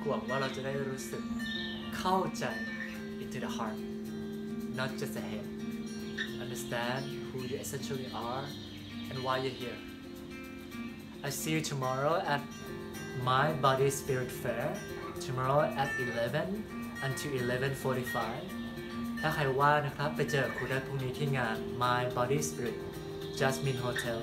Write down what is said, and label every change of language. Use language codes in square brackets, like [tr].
[th] หวังว่าเราจะได้รู้สึกเข้าใจ [en] into the heart, not just the head. Understand who you essentially are and why you're here. I see you tomorrow at My Body Spirit Fair. Tomorrow at 11 until 11:45. [th] ถ้าใครว่านะครับไปเจอครูได้พรุ่งนี้ที่งาน My Body Spirit Jasmine Hotel.